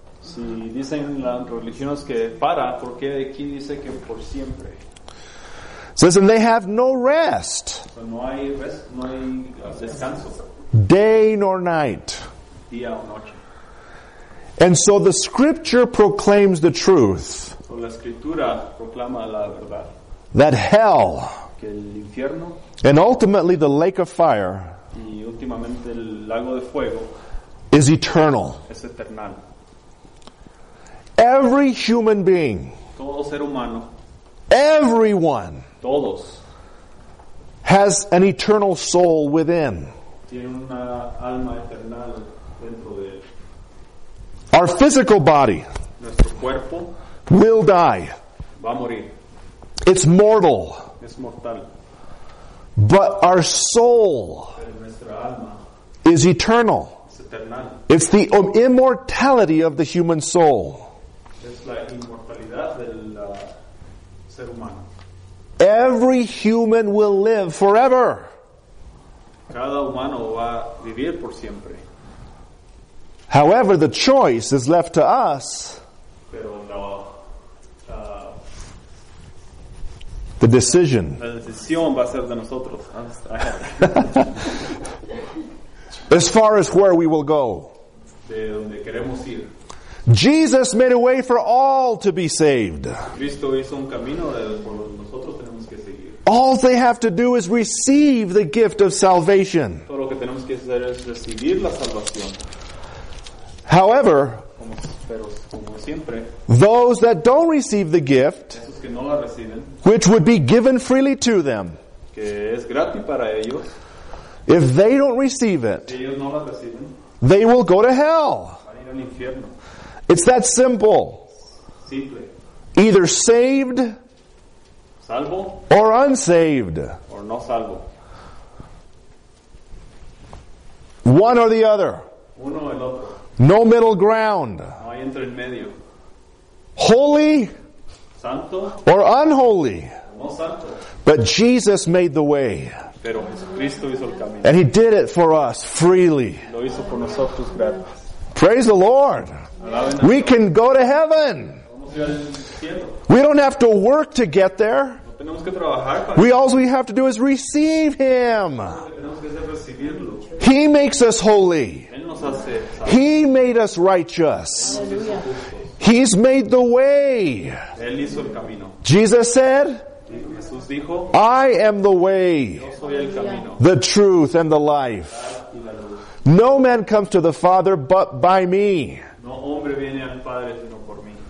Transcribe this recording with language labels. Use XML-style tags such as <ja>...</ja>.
<es>Si dicen las religiones que para, ¿por qué aquí dice que por siempre?</es> <en>It says, and they have no rest.</en> <es>So no hay rest, no hay descanso.</es> <en>Day nor night.</en> <es>Día o noche.</es> <en>And so the Scripture proclaims the truth.</en> <es>So la Escritura proclama la verdad.</es> <en>That hell,</en> <es>que el infierno,</es> <en>and ultimately the lake of fire,</en> <es>y últimamente el lago de fuego,</es> <en>is eternal.</en> <es>Es eternal.</es> <en>Every human being,</en> <es>todo ser humano,</es> <en>everyone,</en> <es>todos,</es> <en>has an eternal soul within.</en> <es>Tiene una alma eternal dentro de él.</es> <en>Our physical body,</en> <es>nuestro cuerpo,</es> <en>will die.</en> <es>Va a morir.</es> <en>It's mortal.</en> <es>Es mortal.</es> <en>But our soul,</en> <es>alma,</es> <en>is eternal. Eternal. It's the immortality of the human soul.</en> <es>Es la inmortalidad del ser humano.</es> <en>Every human will live forever.</en> <es>Cada humano va a vivir por siempre.</es> <en>However, the choice is left to us.</en> <es>Pero</es> <en>the decision.</en> <es>La decisión va a ser de nosotros.</es> <en>As far as where we will go.</en> <es>De donde queremos ir.</es> <en>Jesus made a way for all to be saved.</en> <es>Cristo hizo un camino de nosotros tenemos que seguir.</es> <en>All they have to do is receive the gift of salvation.</en> <es>Todo lo que tenemos que hacer es recibir la salvación.</es> <en>However,</en> <es>pero, siempre,</es> <en>those that don't receive the gift,</en> <es>esos que no la reciben,</es> <en>which would be given freely to them,</en> <es>que es gratis para ellos,</es> <en>if they don't receive it,</en> <es>si ellos no la reciben,</es> <en>they will go to hell.</en> <es>Van a ir al infierno.</es> <en>It's that simple.</en> <es>Simple.</es> <en>Either saved</en> <es>salvo,</es> <en>or unsaved.</en> <es>Or no salvo.</es> <en>One or the other.</en> <es>Uno el otro.</es> <en>No middle ground.</en> <es>No hay entre el medio.</es> <en>Holy</en> <es>santo,</es> <en>or unholy.</en> <es>No santo.</es> <en>But Jesus made the way.</en> <es>Pero Jesucristo hizo el camino.</es> <en>And he did it for us freely.</en> <es>Lo hizo por nosotros gratis.</es> <en>Praise the Lord.</en> <es>Alabina.</es> <en>We can go to heaven.</en> <es>Vamos a ir al cielo.</es> <en>We don't have to work to get there.</en> <es>No tenemos que trabajar para</es> <en>we all we have to do is receive him.</en> <es>Tenemos que hacer recibirlo.</es> <en>He makes us holy. He made us righteous. Hallelujah. He's made the way.</en> <es>Él hizo el camino.</es> <en>Jesus said,</en> <es>Jesús dijo,</es> <en>I am the way,</en> <es>yo soy el camino,</es> <en>the truth, and the life. No man comes to the Father but by me.</en> <es>No hombre viene al Padre sino por mí.</es>